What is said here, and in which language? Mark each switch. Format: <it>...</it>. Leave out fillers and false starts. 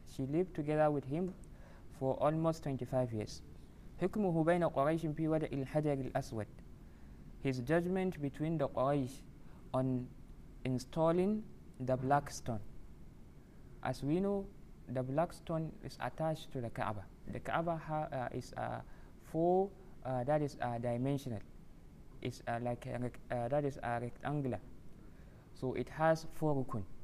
<en>She lived together with him for almost 25 years.</en> <ar>حكمه بين قريش في وضع الحجر الأسود.</ar> <en>His judgment between the Quraysh on installing the black stone. As we know, the black stone is attached to the Kaaba. The Kaaba is a four that is dimensional. It's a rectangular. So it has four rukun.</en>